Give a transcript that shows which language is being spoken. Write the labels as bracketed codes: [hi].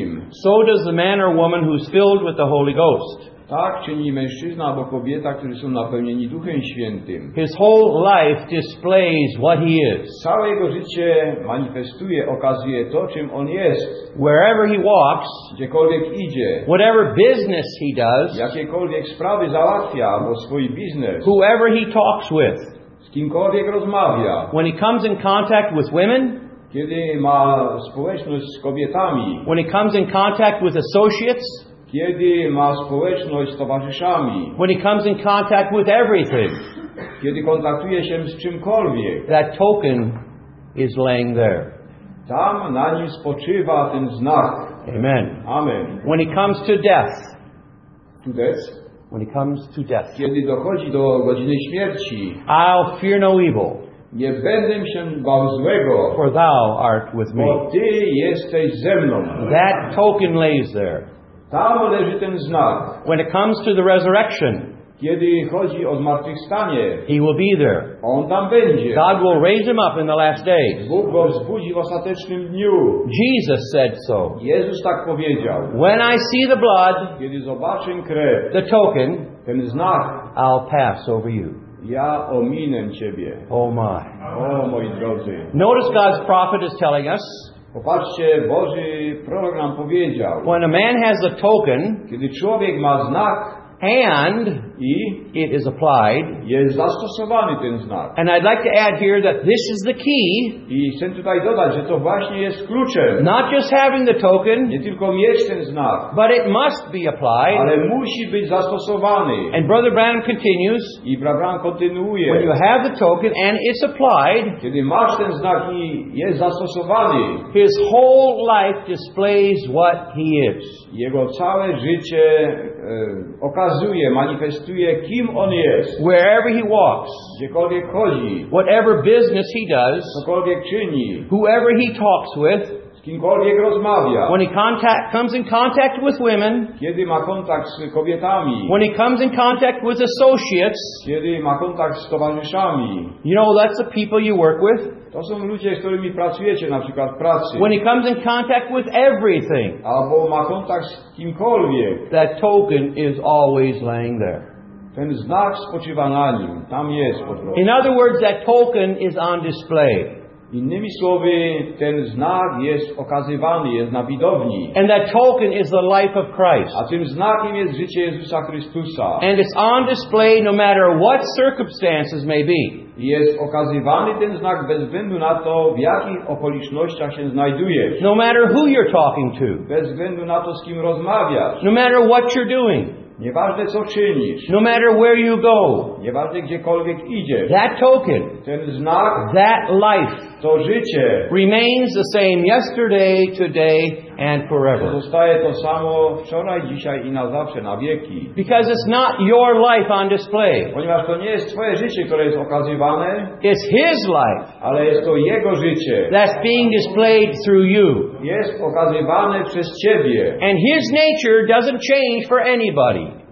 [en] so does the man or woman who is filled with the Holy Ghost. [pl] Tak czyni mężczyzna albo kobieta, którzy są napełnieni Duchem Świętym. [en] His whole life displays what he is. [pl] Całe jego życie manifestuje, okazuje to, czym on jest. [en] Wherever he walks, [pl] gdziekolwiek idzie, [en] whatever business he does, [pl] jakiekolwiek sprawy załatwia, albo swój biznes, [en] whoever he talks with, [pl] z kimkolwiek rozmawia, [en] when he comes in contact with women, [pl] kiedy ma społeczność z kobietami, [en] when he comes in contact with associates, [pl] kiedy ma społeczność z towarzyszami, [en] when he comes in contact with everything, [pl] kiedy kontaktuje się z czymkolwiek, [en] that token is laying there. [pl] Tam na nim spoczywa ten znak. [en] Amen. [pl] Amen. [en] When he comes to death, to death, when he comes to death, [pl] kiedy dochodzi do godziny śmierci, [en] I'll fear no evil, [pl] nie będę się bał złego, [en] for thou art with me. [pl] Bo ty jesteś ze mną. [en] That token lays there. [pl] Tam leży ten znak. [en] When it comes to the resurrection, [pl] kiedy chodzi o zmartwychwstanie, [en] he will be there. [pl] On tam będzie. [en] God will raise him up in the last days. [pl] Bóg go wzbudzi w ostatecznym dniu. [en] Jesus said so. [pl] Jezus tak powiedział. [en] When I see the blood, [pl] kiedy zobaczę krew, [en] the token, [pl] ten znak, [en] I'll pass over you. [pl] Ja ominę ciebie. [en] Oh my. [pl] Oh, moi drodzy. [en] Notice God's prophet is telling us. [pl] Popatrzcie, Boży prorok nam powiedział. [en] When a man has a token, [pl] kiedy człowiek ma znak, [en] and [pl] i [en] it is applied, [pl] jest zastosowany ten znak. [en] And I'd like to add here that this is the key. [pl] I chcę tutaj dodać, że to właśnie jest kluczem. [en] Not just having the token, [pl] nie tylko mieć ten znak, [en] but it must be applied, [pl] ale musi być zastosowany. [en] And Brother Branham continues, [pl] i Brother Branham kontynuuje, [en] when you have the token and it's applied, [pl] kiedy masz ten znak i jest zastosowany, [en] his whole life displays what he is. [pl] Jego całe życie okazuje, manifestuje, kim on jest. [en] Wherever he walks, [pl] gdziekolwiek chodzi, [en] whatever business he does, [pl] cokolwiek czyni, [en] whoever he talks with, [pl] z kimkolwiek rozmawia, [en] when he comes in contact with women, [pl] kiedy ma kontakt z kobietami, [en] when he comes in contact with associates, [pl] kiedy ma kontakt z towarzyszami, [en] you know, that's the people you work with, [pl] to są ludzie, z którymi pracujecie, na przykład w pracy, [en] when he comes in contact with everything, [pl] albo ma kontakt z kimkolwiek, [en] that token is always laying there. [pl] Ten znak spoczywa na nim, tam jest po prostu. [en] In other words, that token is on display. [pl] Innymi słowy, ten znak jest okazywany, jest na widowni. [en] And that token is the life of Christ. [pl] A tym znakiem jest życie Jezusa Chrystusa. [en] And it's on display no matter what circumstances may be. [pl] Jest okazywany ten znak bez względu na to, w jakich okolicznościach się znajdujesz. [en] No matter who you're talking to. [pl] Bez względu na to, z kim rozmawiasz. [en] No matter what you're doing. [pl] Nieważne co czynisz. [en] No matter where you go. [pl] Nieważne gdziekolwiek idziesz. [en] That token. [pl] Ten znak. [en] That life. [pl] To życie. [en] Remains the same yesterday, today and forever. [pl] Zostaje to samo wczoraj, dzisiaj i na zawsze, na wieki. [en] Because it's not your life on display. [pl] Ponieważ to nie jest twoje życie, które jest okazywane. [en] It's his life. [pl] Ale jest to jego życie. [en] That's being displayed through you. [pl] Jest okazywane przez ciebie. [en] And his nature doesn't change for anybody.